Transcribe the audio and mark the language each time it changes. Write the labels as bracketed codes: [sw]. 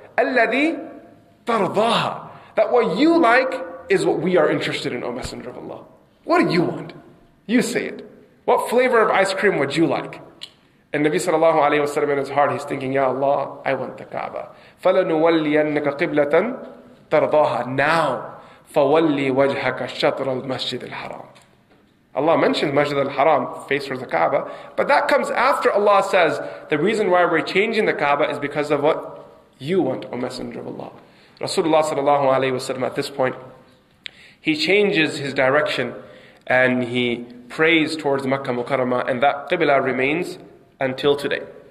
[ar] الَّذِي تَرْضَاهَا. [en] That what you like is what we are interested in, O Messenger of Allah. What do you want? You say it. What flavor of ice cream would you like? And Nabi sallallahu alayhi wa sallam in his heart, he's thinking, ya Allah, I want the Kaaba. [ar] فَلَنُوَلِّيَنَّكَ قِبْلَةً تَرْضَاهَا. [en] Now, [ar] فَوَلِّي وَجْهَكَ شَطْرَ الْمَسْجِدِ الْحَرَامِ. [en] Allah mentioned Masjid al-Haram, face for the Kaaba, but that comes after Allah says, the reason why we're changing the Kaaba is because of what you want, O Messenger of Allah. Rasulullah sallallahu alayhi wa sallam at this point, he changes his direction and he prays towards Makkah Mukarramah, and that Qibla remains until today.